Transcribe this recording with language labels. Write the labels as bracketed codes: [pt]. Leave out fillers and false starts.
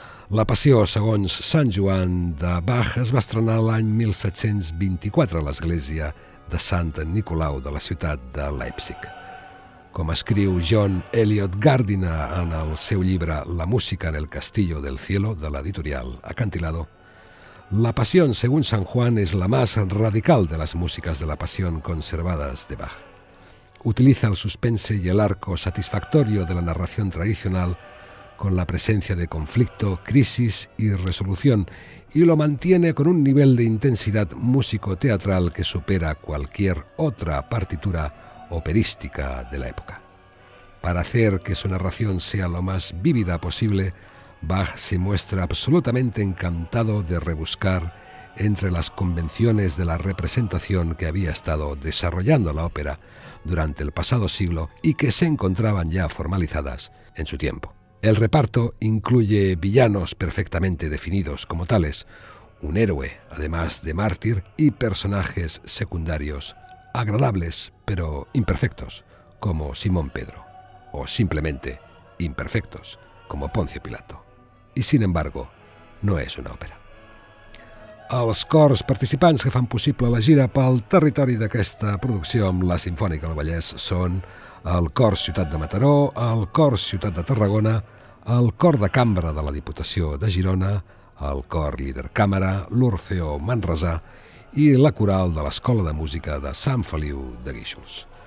[ca] La passió segons Sant Joan de Bach es va estrenar l'any 1724 a l'església de Sant Nicolau de la ciutat de Leipzig. Com escriu John Eliot Gardiner en el seu llibre La música en el castillo del cielo, de l'editorial Acantilado, la passió, segons Sant Joan, és la més radical de les músiques de la passió conservades de Bach. [es] Utilitza el suspense i el arco satisfactorio de la narració tradicional con la presencia de conflicto, crisis y resolución, y lo mantiene con un nivel de intensidad músico-teatral que supera cualquier otra partitura operística de la época. Para hacer que su narración sea lo más vívida posible, Bach se muestra absolutamente encantado de rebuscar entre las convenciones de la representación que había estado desarrollando la ópera durante el pasado siglo y que se encontraban ya formalizadas en su tiempo. El reparto incluye villanos perfectamente definidos como tales, un héroe, además de mártir, y personajes secundarios agradables pero imperfectos, como Simón Pedro, o simplemente imperfectos, como Poncio Pilato. Y sin embargo, no es una ópera. [ca] Els cors participants que fan possible la gira pel territori d'aquesta producció amb la Simfònica del Vallès són el Cor Ciutat de Mataró, el Cor Ciutat de Tarragona, el Cor de Cambra de la Diputació de Girona, el Cor Líder Càmera, l'Orfeo Manresà i la coral de l'Escola de Música de Sant Feliu de Guíxols.